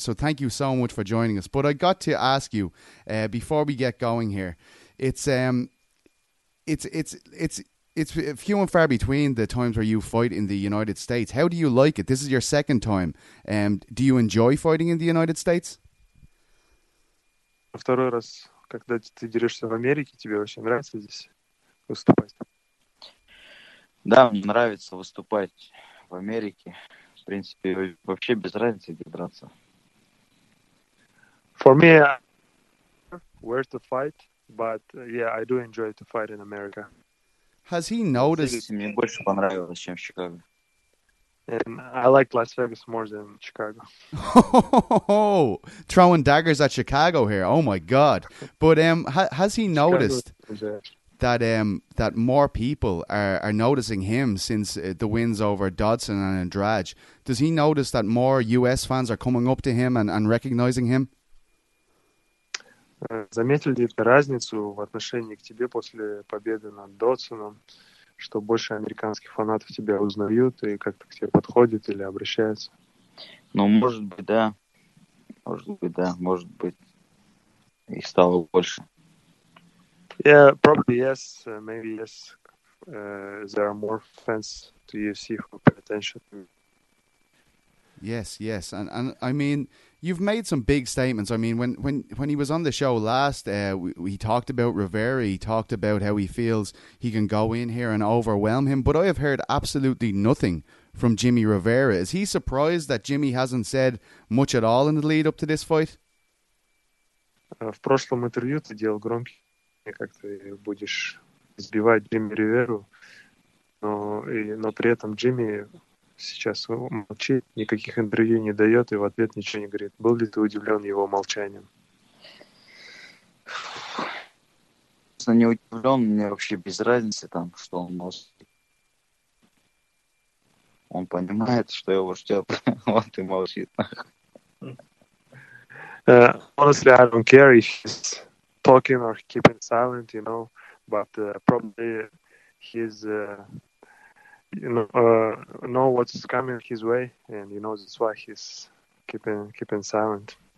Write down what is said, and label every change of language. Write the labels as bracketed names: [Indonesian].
[English] So thank you so much for joining us. But I got to ask you before we get going here. It's few and far between the times where you fight in the United States. How do you like it? This is your second time. Do you enjoy fighting in the United States? [Russian] Второй раз, когда ты дерешься в Америке, тебе вообще нравится здесь выступать? Да, мне нравится выступать в Америке. В принципе, вообще без разницы, где драться. [English] For me, where to fight, but yeah, I do enjoy to fight in America. Has he noticed? [Russian] Мне больше понравилось, чем в Чикаго. [English] And I like Las Vegas more than Chicago. Oh, throwing daggers at Chicago here. Oh my God. But has he noticed that more people are noticing him since the wins over Dodson and Andrade? Does he notice that more U.S. fans are coming up to him and recognizing him? [Russian] Заметил ли ты разницу в отношении к тебе после победы над Додсоном, что больше американских фанатов тебя узнают и как-то к тебе подходят или обращаются? Ну, может быть, да. Может быть, да. Может быть, их стало больше. [English] Yeah, probably yes. Maybe yes. There are more fans to UFC who pay attention to. Yes, yes, and I mean, you've made some big statements. I mean, when he was on the show last, we talked about Rivera. He talked about how he feels he can go in here and overwhelm him. But I have heard absolutely nothing from Jimmie Rivera. Is he surprised that Jimmy hasn't said much at all in the lead up to this fight? [Russian] В прошлом интервью ты делал громкий. Как ты будешь избивать Джимми Риверу, но при этом Джимми сейчас молчит, никаких интервью не дает и в ответ ничего не говорит. Был ли ты удивлен его молчанием? Я не удивлен, мне вообще без разницы там, что он молчит. Он понимает, что его ждет, вот и молчит. [English] Honestly, I don't care if he's talking or keeping silent, you know, but probably he's, know what's coming his way, and he knows that's why he's keeping silent.